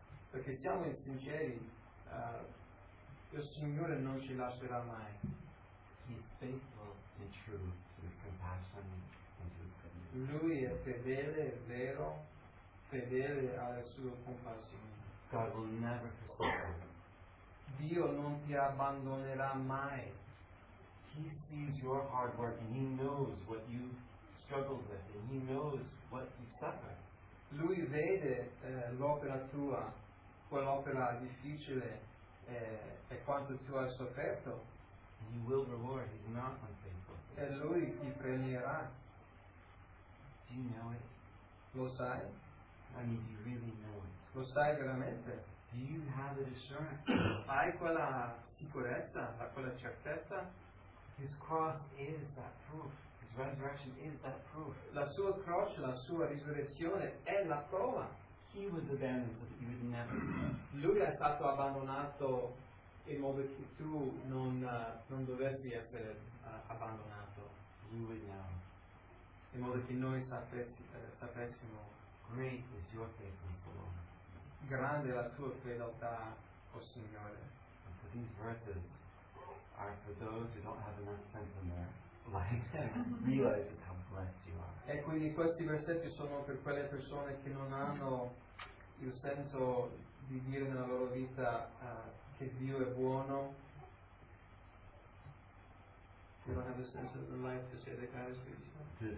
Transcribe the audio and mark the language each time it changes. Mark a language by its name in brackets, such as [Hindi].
[Italian] Perché siamo sinceri, il Signore non ci lascerà mai. [English] He's faithful and true to his compassion and to his goodness. [Italian] Lui è fedele, è vero, fedele alla sua compassione. [English] God will never forsake you. [Italian] Dio non ti abbandonerà mai. [English] He sees your hard work and he knows what you struggled with and he knows what you suffered. [Italian] Lui vede l'opera tua, quell'opera difficile e quanto tu hai sofferto. [English] He will reward, he's not unfaithful. [Italian] E lui ti premierà. [English] Do you know it? [Italian] Lo sai? [English] I mean, do you really know it? [Italian] Lo sai veramente? [English] Do you have the assurance? [Italian] Hai quella sicurezza, quella certezza? [English] His cross is that proof. His resurrection is that proof. [Italian] La sua croce, la sua risurrezione è la prova. [English] He was abandoned so that you would never know. [Italian] Lui è stato abbandonato in modo che tu non dovessi essere abbandonato. [English] You would know. [Italian] In modo che noi sapessimo. [English] Great is your faithfulness, O Lord. [Italian] Grande la tua fedeltà, O Signore. [English] And so these verses are for those who don't have enough sense in there. Realize how blessed you are. [Italian] E quindi questi versetti sono per quelle persone che non hanno il senso di dire nella loro vita che Dio è buono. [English] They don't have the sense of their life to say that God is good.